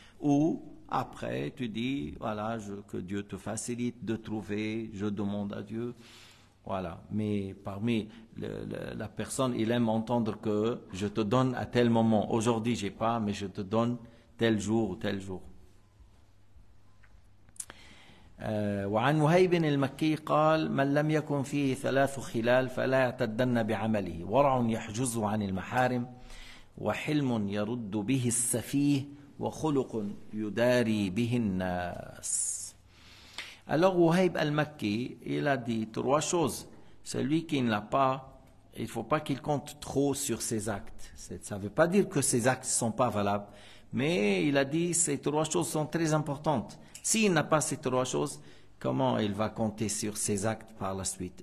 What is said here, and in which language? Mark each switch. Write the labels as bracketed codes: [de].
[fr] Ou après tu dis voilà, que Dieu te facilite de trouver, je demande à Dieu. Voilà, mais parmi la personne, il aime entendre que je te donne à tel moment. Aujourd'hui, je n'ai pas, mais je te donne tel jour ou tel jour. [ar] وعن مهيب المكي قال: من لم يكن فيه ثلاث خلال فلا يعتدن بعمله، ورع يحجز عن المحارم، وحلم يرد به السفيه، وخلق يداري به الناس. [fr] Alors, Wahib al-Makki, il a dit 3 choses. Celui qui ne l'a pas, il ne faut pas qu'il compte trop sur ses actes. Ça ne veut pas dire que ses actes ne sont pas valables. Mais il a dit, ces 3 choses sont très importantes. S'il n'a pas ces 3 choses, comment il va compter sur ses actes par la suite?